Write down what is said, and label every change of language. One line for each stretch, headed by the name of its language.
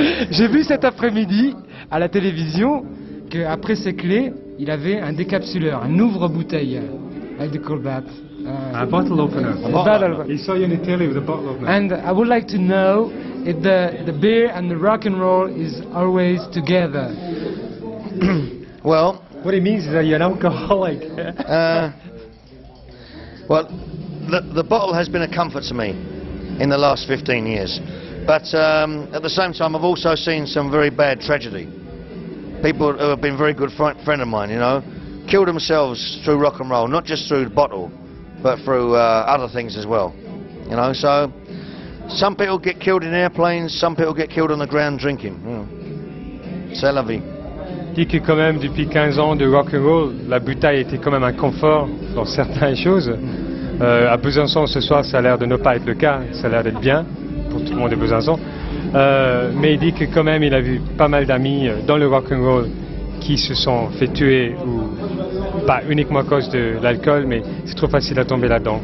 French: J'ai vu cet après-midi à la télévision qu'après ses clés, il avait un décapsuleur, un ouvre-bouteille.
English: I do call that. A bottle opener. A bottle opener. He saw you in Italy with a bottle opener. And I would like to know if the beer and the rock and roll is always together. Well, what it means is that you're an alcoholic. Well, the bottle has been a comfort to me in the last 15 years. But at the same time, I've also seen some very bad tragedy. People who have been very good friend of mine, you know, killed themselves through rock and roll, not just through the bottle, but through other things as well. You know, so some people get killed in airplanes, some people get killed on the ground drinking. You know. C'est la vie.
French: Dit que quand même depuis 15 ans de rock and roll, la bouteille était quand même un confort dans certaines choses. À Besançon ce soir, ça a l'air de ne pas être le cas, ça a l'air d'être bien pour tout le monde de Besançon. Mais il dit que quand même il a vu pas mal d'amis dans le rock and roll qui se sont fait tuer, ou pas uniquement à cause de l'alcool, mais c'est trop facile à tomber là-dedans.